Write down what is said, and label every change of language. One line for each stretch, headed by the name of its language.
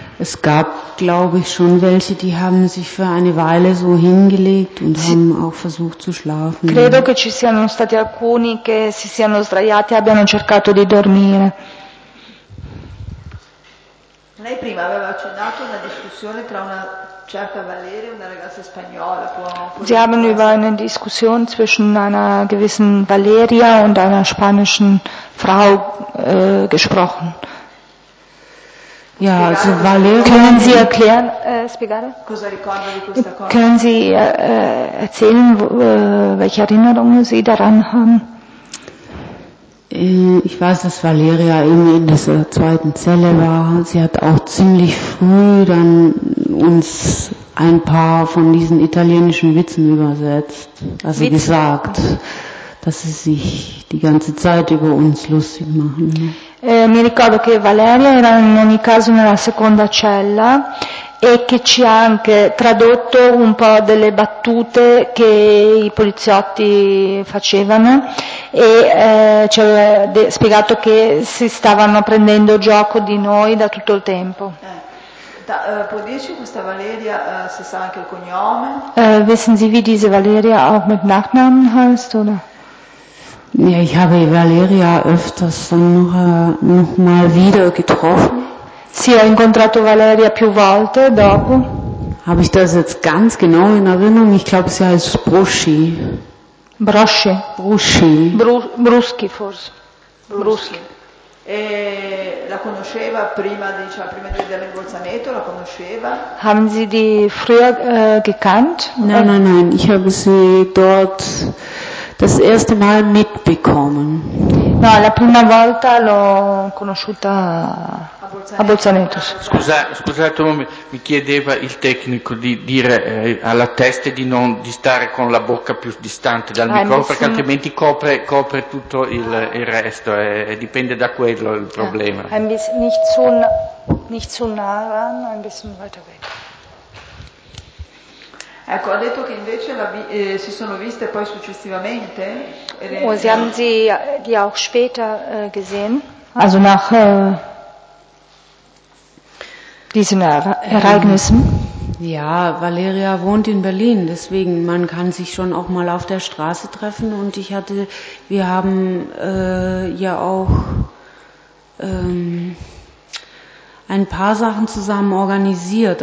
German: Es gab, glaube ich, schon welche, die haben sich für eine Weile so hingelegt und haben auch versucht zu schlafen.
Italian: Credo che ci siano stati alcuni che si siano sdraiati e abbiano cercato di dormire. Lei prima aveva accennato una discussione tra una certa Valeria, una ragazza spagnola.
German: Sie haben über eine Diskussion zwischen einer gewissen Valeria und einer spanischen Frau gesprochen. Ja, also Valerio, können Sie erklären,
Italian: spiegare? Cosa ricorda di questa cosa?
German: Können Sie erzählen, welche Erinnerungen Sie daran haben? Ich weiß, dass Valeria eben in dieser zweiten Zelle war. Sie hat auch ziemlich früh dann uns ein paar von diesen italienischen Witzen übersetzt. Also Witz. Gesagt, dass sie sich die ganze Zeit über uns lustig machen.
Italian: Mi ricordo che Valeria era in ogni caso nella seconda cella e che ci ha anche tradotto un po' delle battute che i poliziotti facevano e ci ha spiegato che si stavano prendendo gioco di noi da tutto il tempo. Può dirci questa Valeria se sa anche il cognome?
German: Wissen Sie, wie diese Valeria auch mit Nachnamen heißt, oder? Ja, ich habe Valeria öfters dann noch mal wieder getroffen.
Italian: Sì, ho incontrato Valeria più volte dopo.
German: Habe ich das jetzt ganz genau in Erinnerung? Ich glaube, sie heißt Bruschi. Brosche? Bruschi.
Italian: Bruschi forse. Bruschi. E la conosceva prima, diciamo, prima di vedere il Bolzaneto, la conosceva?
German: Haben Sie die früher gekannt? Nein, ich habe sie dort das erste Mal mitbekommen.
Italian: No, la prima volta l'ho conosciuta a Bolzaneto. Scusate un momento, mi chiedeva il tecnico di dire alla testa di non di stare con la bocca più distante dal microfono, perché altrimenti copre tutto il resto, dipende da quello il problema.
German: Ein bisschen nicht zu nah ran, ein bisschen weiter weg.
Italian: Ecco, ha detto che invece si sono viste poi successivamente.
German: Oh, sie haben sie die auch später gesehen? Also nach diesen Ereignissen? Ja, Valeria wohnt in Berlin, deswegen man kann sich schon auch mal auf der Straße treffen. Und wir haben ja auch ein paar Sachen zusammen organisiert.